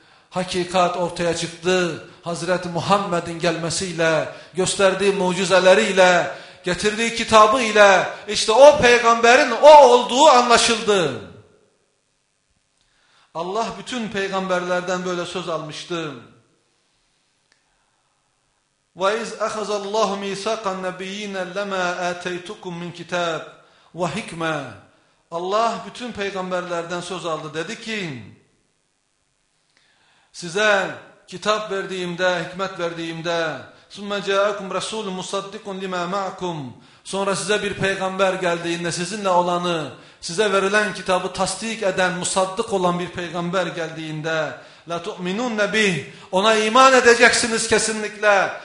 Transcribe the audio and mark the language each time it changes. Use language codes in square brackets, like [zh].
[tr] Hakikat ortaya çıktı. Hazreti Muhammed'in gelmesiyle, gösterdiği mucizeleriyle, getirdiği kitabı ile işte o peygamberin o olduğu anlaşıldı. Allah bütün peygamberlerden böyle söz almıştı. [ar] وَاِذْ اَخَذَ اللّٰهُ مِيْسَقَ النَّبِيِّينَ لَمَا اَتَيْتُكُمْ مِنْ كِتَابٍ وَحِكْمَةٍ [tr] Allah bütün peygamberlerden söz aldı. Dedi ki, size kitap verdiğimde, hikmet verdiğimde, [ar] ثُمَّ جَاءَكُمْ رَسُولٌ مُصَدِّقٌ لِمَا مَعْكُمْ [tr] Sonra size bir peygamber geldiğinde, sizinle olanı, size verilen kitabı tasdik eden, musaddık olan bir peygamber geldiğinde, La tu'minun nebi, ona iman edeceksiniz kesinlikle.